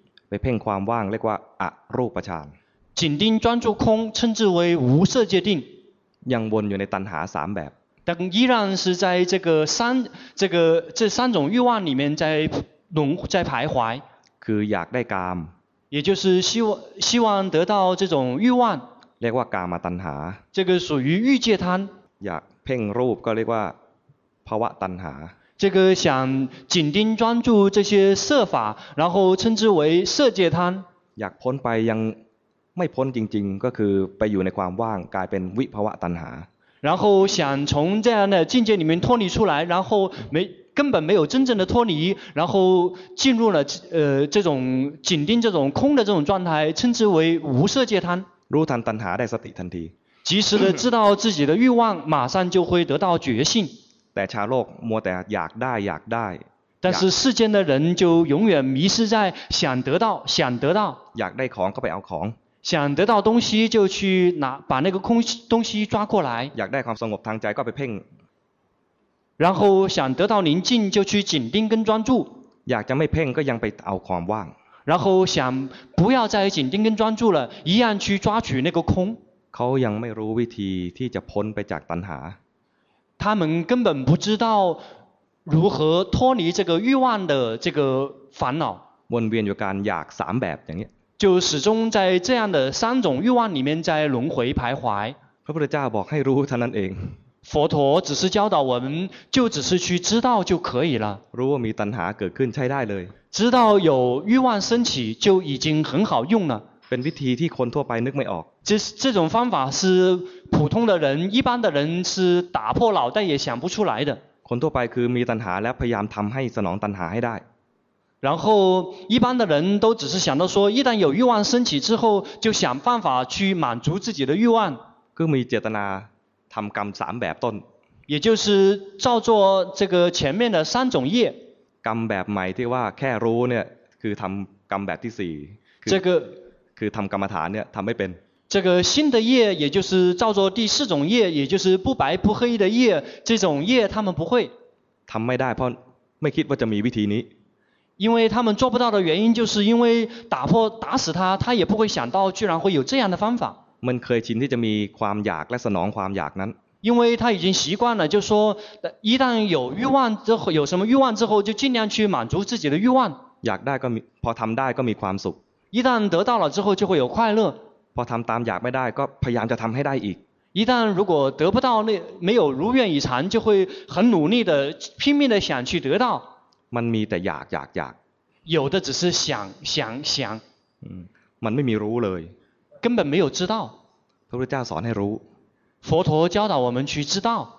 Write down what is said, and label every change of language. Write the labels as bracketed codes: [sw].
[th] ไปเพ่งความว่างเรียกว่าอรูปฌาน [zh] 紧盯专注空称之为无色界定 [th] ยังวนอยู่ในตัณหาสามแบบ [zh] 但依然是在这个三这个这三种欲望里面在轮在徘徊 [th] คืออยากได้กาม [zh] 也就是希望得到这种欲望 [th] เรียกว่ากามตัณหา [zh] 这个属于欲界贪 [th] อยากเพ่งรูปก็เรียกว่าภวตัณหา [zh] 这个想紧盯专注这些色法然后称之为色界贪 [th] อยากพ้นไปยังไม่พ้นจริงๆก็คือไปอยู่ในความว่างกลายเป็นวิภวตัณหา [zh] 然后想从这样的境界里面脱离出来然后没根本没有真正的脱离然后进入了这种紧盯这种空的这种状态称之为无色界贪 [th] รู้ทันตัณหาได้สติทันที [zh] 及时的知道自己的欲望马上就会得到觉性 [th] แต่ชาวโลกมัวแต่อยากได้อยากได้ [zh] 但是世间的人就永远迷失在想得到想得到 [th] อยากได้ของก็ไปเอาของ [zh] 想得到东西就去拿把那个空东西抓过来 [th] อยากได้ความสงบทางใจก็ไปเพ่ง [zh] 然后想得到宁静就去紧盯跟专注 [th] อยากจะไม่เพ่งก็ยังไปเอาความว่าง [zh] 然后想不要再紧盯跟专注了一样去抓取那个空 [th] เขายังไม่รู้วิธีที่จะพ้นไปจากตัณหา [zh] 他们根本不知道如何脱离这个欲望的这个烦恼 [th] วนเวียนอยู่การอยากสามแบบอย่างนี้ [zh] 就始终在这样的三种欲望里面在轮回徘徊 [th] พระพุทธเจ้าบอกให้รู้เท่านั้นเอง [zh] 佛陀只是教导我们就只是去知道就可以了 [th] รู้ว่ามีตัณหาเกิดขึ้นใช้ได้เลย [zh] 知道有欲望升起就已经很好用了 [th] เป็นวิธีที่คนทั่วไปนึกไม่ออก [zh] 这种方法是普通的人一般的人是打破脑袋也想不出来的 [th] คนทั่วไปคือมีตัณหาแล้วพยายามทําให้สนองตัณหาให้ได้ [zh] 然后一般的人都只是想到说一旦有欲望升起之后就想办法去满足自己的欲望 [th] คือมีเจตนาทํากรรม3แบบต้น [zh] 也就是照做这个前面的三种业 [th] กรรมแบบใหม่ที่ว่าแค่รู้เนี่ยคือทํากรรมแบบที่4 คือ ทํากรรมฐานเนี่ยทําไม่เป็น [zh] 这个新的业也就是照做第四种业也就是不白不黑的业这种业他们不会 [th] ทําไม่ได้เพราะไม่คิดว่าจะมีวิธีนี้ [zh] 因为他们做不到的原因就是因为打死他他也不会想到居然会有这样的方法 [th] มันเคยชินที่จะมีความอยากและสนองความอยากนั้น [zh] 因为他已经习惯了就说一旦有欲望之后有什么欲望之后就尽量去满足自己的欲望 [th] อยากได้ก็มีพอทําได้ก็มีความสุข [zh] 一旦得到了之后就会有快乐 [th] พอทำตามอยากไม่ได้ก็พยายามจะทำให้ได้อีก [zh] 一旦如果得不到那没有如愿以偿就会很努力的拼命的想去得到 [th] มันมีแต่อยากอยากอยาก [zh] 有的只是想想想 [th] มันไม่มีรู้เลย [zh] 根本没有知道 [th] พระพุทธเจ้าสอนให้รู้ [zh] 佛陀教导我们去知道